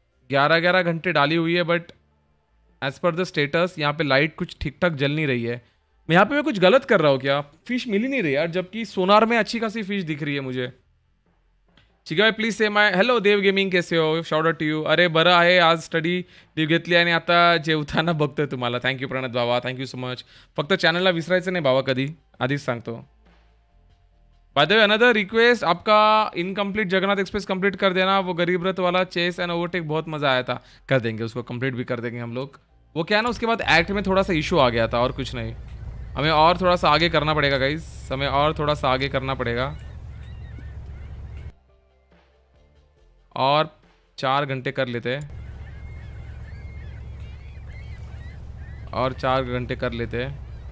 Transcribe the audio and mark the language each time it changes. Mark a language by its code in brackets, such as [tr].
[hi] 11-11 घंटे डाली हुई है but as per the status यहाँ पे लाइट कुछ ठीक ठाक जल नहीं रही है। मैं यहाँ पे मैं कुछ गलत कर रहा हूँ क्या, फ़िश मिल ही नहीं रही यार, जबकि सोनार में अच्छी खासी फ़िश दिख रही है मुझे। ठीक है भाई, [en] please say my hello Dev gaming, [hi] कैसे हो, [en] Shout out to you. [mr] अरे बरं आहे, आज स्टडी लीव घेतली आणि आता जेवताना बघतोय तुम्हाला। [en] Thank you Pranat बाबा, thank you so much. [mr] फक्त चॅनलला विसरायचं नाही बाबा कधी, आधीच सांगतो। [hi] अनदर रिक्वेस्ट, आपका इनकम्प्लीट जगन्नाथ एक्सप्रेस कंप्लीट कर देना, वो गरीब रथ वाला चेस एंड ओवरटेक बहुत मजा आया था, कर देंगे उसको कंप्लीट भी कर देंगे हम लोग। वो क्या ना उसके बाद एक्ट में थोड़ा सा इशू आ गया था और कुछ नहीं, हमें और थोड़ा सा आगे करना पड़ेगा गाइस, हमें और थोड़ा सा आगे करना पड़ेगा, और 4 घंटे कर लेते हैं, और 4 घंटे कर लेते हैं।